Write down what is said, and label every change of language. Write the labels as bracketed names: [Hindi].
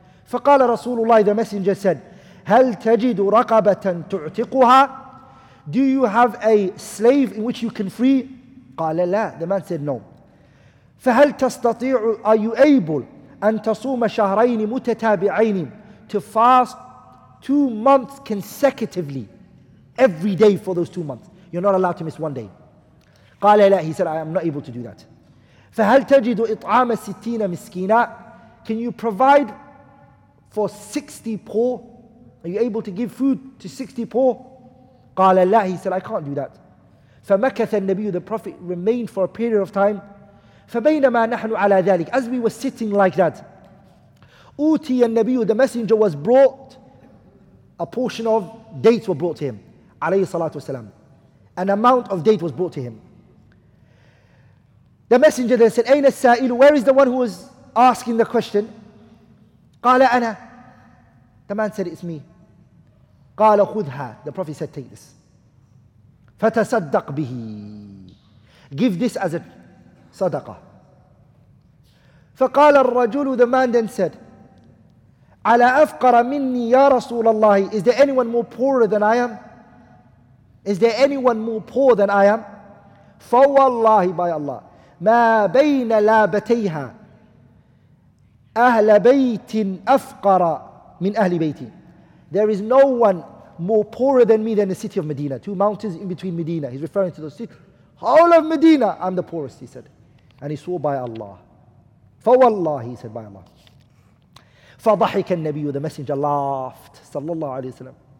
[Arabic] فقال رسول الله, [English] the Messenger said, [Arabic] هل تجد رقبة تعتقها? [English] Do you have a slave in which you can free? [Arabic] قال لا. [English] The man said no. [Arabic] فهل تستطيع, [English] are you able [Arabic] أن تصوم شهرين متتابعين, [English] to fast 2 months consecutively, every day for those 2 months? You're not allowed to miss one day. [Arabic] قال لا. [English] He said, I am not able to do that. [Arabic] فهل تجد إطعام ستين مسكينا? [English] Can you provide for 60 poor? Are you able to give food to 60 poor? [Arabic] قال لا. [English] He said, I can't do that. [Arabic] فَمَكَثَ النَّبِيُّ, [English] the Prophet remained for a period of time. [Arabic] فَبَيْنَمَا نَحْنُ عَلَى ذَلِكَ, [English] as we were sitting like that, [Arabic] أُوتِيَ النَّبِيُّ, [English] the messenger was brought A portion of dates were brought to him, [Arabic] alayhi salatu wasalam. [English] An amount of date was brought to him. The messenger then said, [Arabic] "Ayna sa'il? [English] Where is the one who was asking the question?" [Arabic] Qala ana. [English] The man said, "It's me." [Arabic] Qala khudha. [English] The Prophet said, "Take this. [Arabic] Fatasaddaq bihi. [English] Give this as a sadaqah." [Arabic] فقال الرجل, [English] the man then said, [Arabic] على أفقر مني يا رسول الله, [English] is there anyone more poorer than I am? Is there anyone more poor than I am? [Arabic] فوالله, [English] by Allah, [Arabic] ما بين لابتيها أهل بيت أفقر من أهل بيتي. [English] There is no one more poorer than me than the city of Medina. Two mountains in between Medina. He's referring to the city. All of Medina, I'm the poorest, he said. And he swore by Allah. [Arabic] فوالله, [English] he said, by Allah. [Arabic] فضحك النبي, [English] the messenger laughed, [Arabic] صلى الله عليه وسلم.